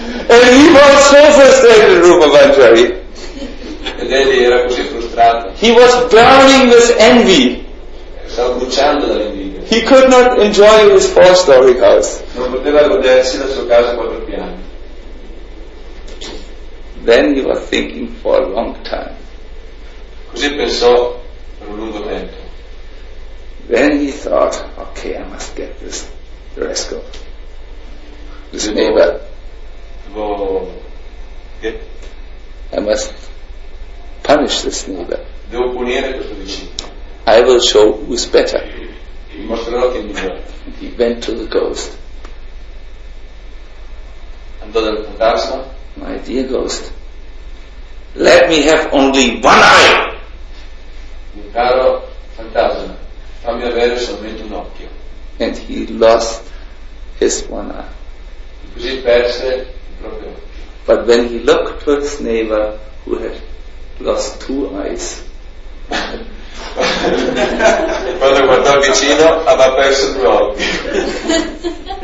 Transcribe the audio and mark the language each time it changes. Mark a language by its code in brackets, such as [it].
[it] E lì [en] was so frustrated, Rupa Bhattacharya. [it] Ed egli era così frustrato. [en] He was drowning with envy. [it] Stava bruciando dall'invidia. [en] He could not enjoy his 4-story house. [it] Non poteva godersi la sua casa a 4 piani. [en] Then he was thinking for a long time. [it] Così pensò per un lungo tempo. [en] Then he thought, okay, I must get this rascal, this neighbor. I must punish this neighbor. [it] Devo punire questo vicino. [en] I will show who's better. [it] Gli mostrerò chi è migliore. [en] He went to the ghost. [it] Andò dal fantasma. [en] My dear ghost, let me have only one eye. [it] Mio caro fantasma, fammi avere solamente un occhio. [en] And he lost his one eye. [it] E così perse. [en] But when he looked to his neighbor who had lost two eyes, [it] quando guardò vicino aveva perso due occhi,